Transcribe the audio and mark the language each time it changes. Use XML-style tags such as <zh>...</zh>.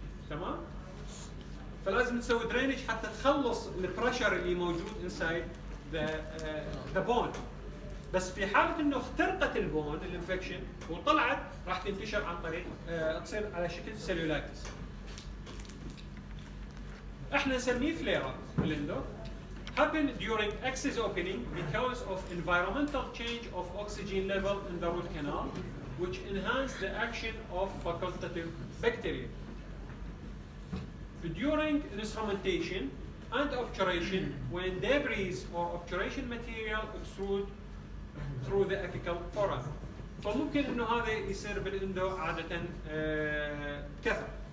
<ar>تمام؟ فلازم نسوي drainage حتى تخلص البريشر اللي موجود</ar> <en>inside the bone.</en> <ar>بس في حالة إنه اخترقت البون الانفكشن وطلعت راح تنتشر عن طريق تصير على شكل سيلولايتس. إحنا نسميه فليرا بالإندو.</ar> <en>happen during axis opening because of environmental change of oxygen level in the root canal which enhance the action of facultative bacteria. during instrumentation and obturation when debris or obturation material extrude through the apical fora.</en> <ar>فممكن انه هذا يصير بالاندو عادة كثر.</ar>